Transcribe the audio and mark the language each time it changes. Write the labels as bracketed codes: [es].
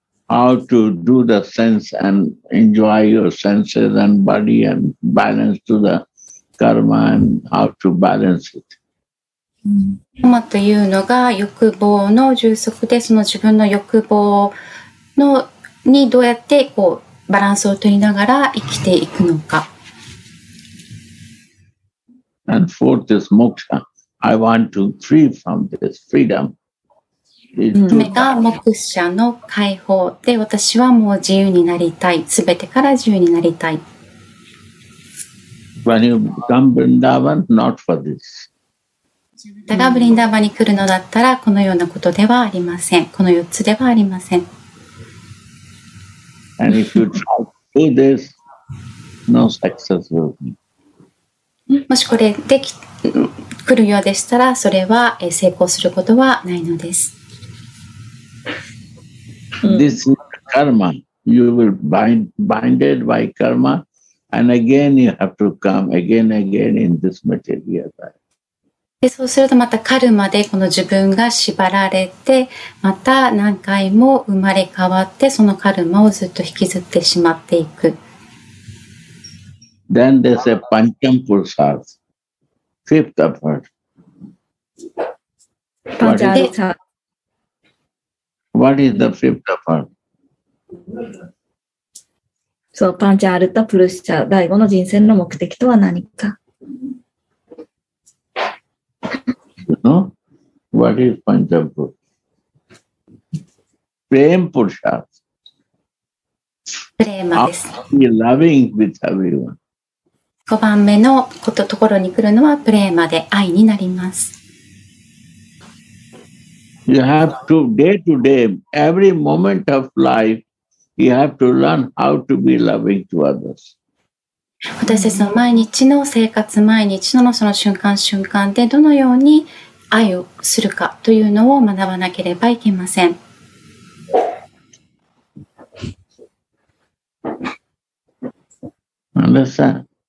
[en] How to do the sense and enjoy your senses and body and balance to the karma and how to balance it. [ja] カマというのが欲望の充足で、その自分の欲望のにどうやってこうバランスを取りながら生きていくのか。 [en] And fourth is moksha. I want to free from this freedom. [ja] 3つ目が目者の解放で、私はもう自由になりたい、すべてから自由になりたい。 [en] When you come Vrindavan, not for this. [ja] あなたがブリンダーバに来るのだったら、このようなことではありません。この4つではありません。 [en] And if you try to do this, no success will be. [ja] もしこれで来るようでしたら、それは成功することはないのです。 [en] This is karma. You will binded by karma, and again you have to come again and again in this material life. [ja] でそうするとまたカルマでこの自分が縛られて、また何回も生まれ変わってそのカルマをずっと引きずってしまっていく。 [en] Then they say Pancham Pursars, fifth effort. What is the fifth effort? [ja] So Pancham Arta Pursha, 第五の人生の目的とは何か。 [en] No? What is Pancham Pursha? Prem Pursha. Prema. Be loving with everyone. [ja] 5番目のところに来るのはプレーマで、愛になります。 [en] You have to day to day, every moment of life, you have to learn how to be loving to others. [ja] 私たちの毎日の生活、毎日のその瞬間瞬間でどのように愛をするかというのを学ばなければいけません。 [en] Understand?